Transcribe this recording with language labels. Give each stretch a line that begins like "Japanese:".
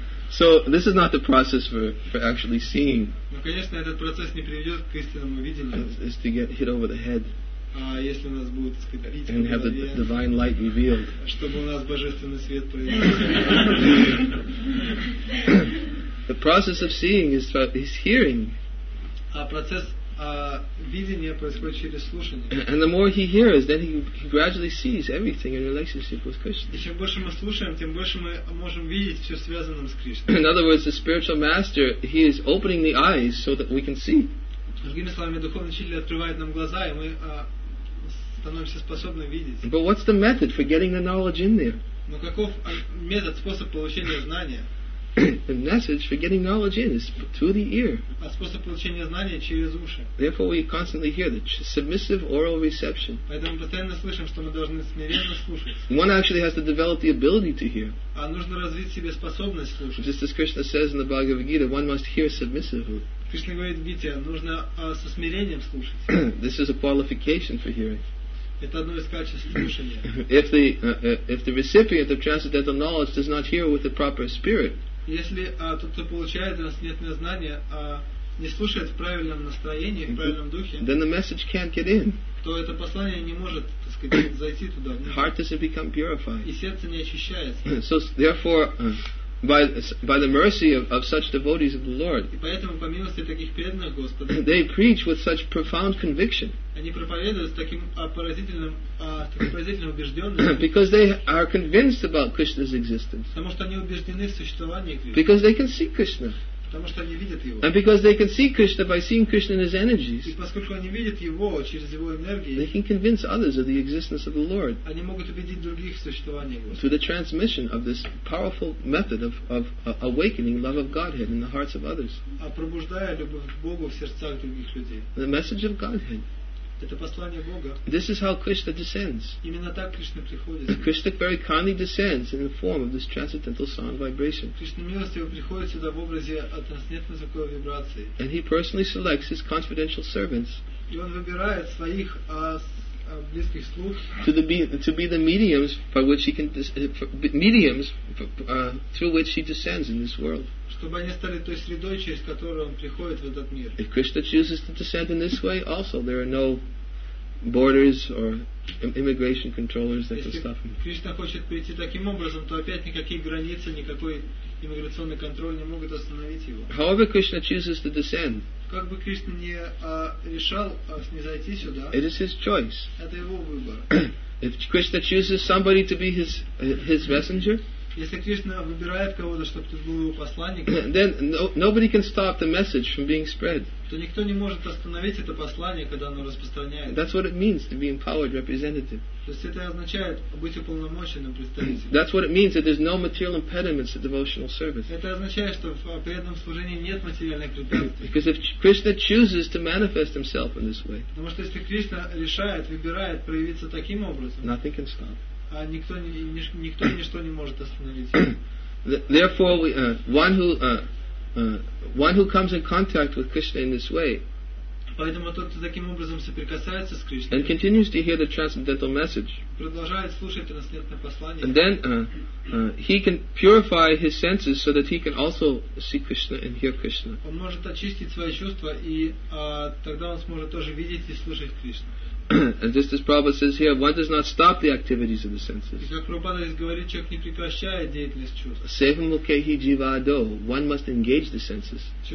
English: So this is not the process for actually seeing.
Russian: Но, конечно, этот процесс не приведет к истинному видению.
English: It's to get hit over the head.
Russian: А если у нас будет, так сказать, бить.
English: And have the divine light revealed.
Russian: Чтобы у нас божественный свет появился.
English: The process of seeing is hearing.
Russian: А процесс видения происходит через слушание.
English: And the more he hears, then he gradually sees everything in relationship with Krishna.
Russian: И чем больше мы слушаем, тем больше мы можем видеть все связанное с Кришной.
English: In other words, the spiritual master, he is opening the eyes so that we can see.
Russian: Другими словами, духовный учитель открывает нам глаза, и мы становимся способны видеть.
English: But what's the method for getting the knowledge in there?
Russian: Но каков метод, способ получения знания?
English: The message for getting knowledge in is through the ear.
Russian: А способ получения знания через уши.
English: Therefore, we constantly hear the submissive oral reception.
Russian: Поэтому постоянно слышим, что мы должны смиренно слушать.
English: One actually has to develop the ability to hear.
Russian: А нужно развить себе способность слушать.
English: Just as Krishna says in the Bhagavad Gita, one must hear submissively.
Russian: Кришна говорит в Гите, нужно со смирением слушать.
English: This is a qualification for hearing.
Russian: Это одно из качеств слушания.
English: If the recipient of transcendental knowledge does not hear with the proper spirit.
Russian: Если тот, кто получает трансцендентное знание, не слушает в правильном настроении, в правильном духе,
English: then the message can't get in.
Russian: То это послание не может, так сказать, зайти туда.
English: Heart doesn't become purified.
Russian: И сердце не очищается.
English: So therefore, by the mercy of such devotees of the Lord,
Russian: и поэтому по милости таких преданных Господа,
English: they preach with such profound conviction.
Russian: Они проповедуют с таким поразительным, поразительной убежденностью.
English: Because they are convinced about Krishna's existence.
Russian: Потому что они убеждены в существовании Кришны.
English: Because they can see Krishna.
Russian: Потому что они видят его.
English: And because they can see Krishna by seeing Krishna in his energies.
Russian: И поскольку они видят его через его энергии.
English: They can convince others of the existence of the Lord.
Russian: Они могут убедить других в существовании его.
English: Through the transmission of this powerful method of awakening love of Godhead in the hearts of others.
Russian: А пробуждая любовь к Богу в сердцах других людей.
English: The message of Godhead.
Russian: Это послание Бога.
English: This is how Krishna descends.
Russian: Именно так Кришна приходит.
English: Krishna very kindly descends in the form of this transcendental sound vibration.
Russian: Кришна милостиво приходит сюда в образе трансцендентной звуковой вибрации.
English: And he personally selects his confidential servants.
Russian: И он выбирает своих близких слуг.
English: To be the mediums by which he can mediums through which he descends in this world.
Russian: Чтобы они стали той средой, через которую он приходит в этот мир.
English: If Krishna chooses to descend in this way, also there are no borders or immigration controllers that can stop him.
Russian: Если Кришна хочет прийти таким образом, то опять никакие границы, никакой иммиграционный контроль не могут остановить его.
English: However Krishna chooses to descend,
Russian: как бы Кришна не решал снизойти сюда,
English: it is his choice.
Russian: Это его выбор.
English: If Krishna chooses somebody to be his messenger,
Russian: если Кришна выбирает кого-то, чтобы тут был его посланник,
English: then nobody can stop the message from being spread.
Russian: То никто не может остановить это послание, когда оно распространяется.
English: That's what it means to be empowered representative.
Russian: То есть это означает быть уполномоченным представителем.
English: That's what it means that there's no material impediments to devotional service.
Russian: Это означает, что в преданном служении нет материальных препятствий.
English: Because if Krishna chooses to manifest himself in this way,
Russian: потому что если Кришна решает, выбирает проявиться таким образом,
English: nothing can stop.
Russian: Никто ничто не может остановить.
English: Therefore, one who comes in contact with Krishna in this way,
Russian: поэтому тот, кто таким образом соприкасается с Кришной,
English: and continues to hear the transcendental message,
Russian: продолжает слушать трансцендентное послание,
English: and then he can purify his senses so that he can also see Krishna and hear Krishna.
Russian: Он может очистить свои чувства и тогда он сможет тоже видеть и слышать Кришну.
English: And just as Prabhupada says here, one does not stop the activities of the senses.
Sanskrit: Sevam lokehi jivado,
English: one must engage the senses.